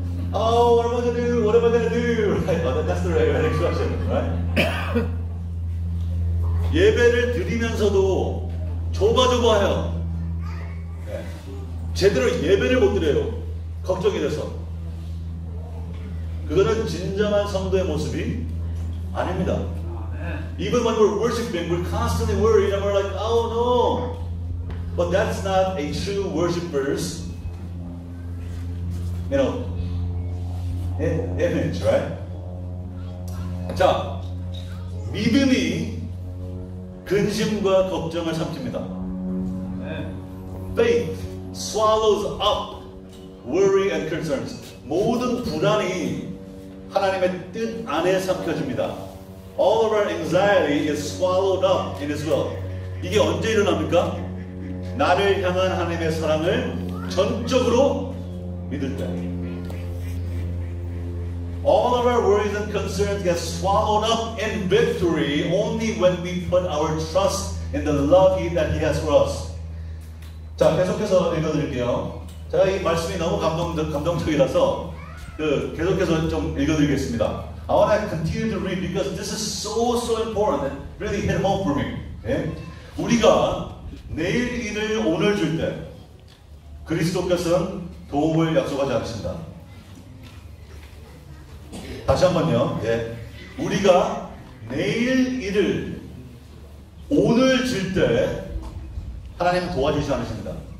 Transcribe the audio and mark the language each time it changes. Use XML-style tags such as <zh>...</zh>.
<en>Oh, what am I gonna do? What am I gonna do? Right? Oh, that's the right expression, right?</en> <ko>예배를 드리면서도 조바조바해요. 제대로 예배를 못 드려요. 걱정이 돼서. 그거는 진정한 성도의 모습이 아닙니다.</ko> <en>Even when we're worshiping, we're constantly worried and we're like, oh no. But that's not a true worshipper's, you know, image, right?</en> <ko>자, 믿음이 근심과 걱정을 삼킵니다.</ko> <en>Faith swallows up worry and concerns.</en> <ko>모든 불안이 하나님의 뜻 안에 삼켜집니다.</ko> <en>All of our anxiety is swallowed up in His will.</en> <ko>이게 언제 일어납니까? 나를 향한 하나님의 사랑을 전적으로 믿을 때.</ko> <en>All of our worries and concerns get swallowed up in victory only when we put our trust in the love that He has for us.</en> <ko>자, 계속해서 읽어드릴게요. 제가 이 말씀이 너무 감동적이라서 계속해서 좀 읽어드리겠습니다.</ko> <en>I want to continue to read because this is so, so important and really hit home for me.</en> <ko>네? 우리가 내일 일을 오늘 줄 때 그리스도께서는 도움을 약속하지 않으신다. 다시 한번요. 예. 우리가 내일 일을 오늘 질 때 하나님 도와주지 않으십니다.</ko>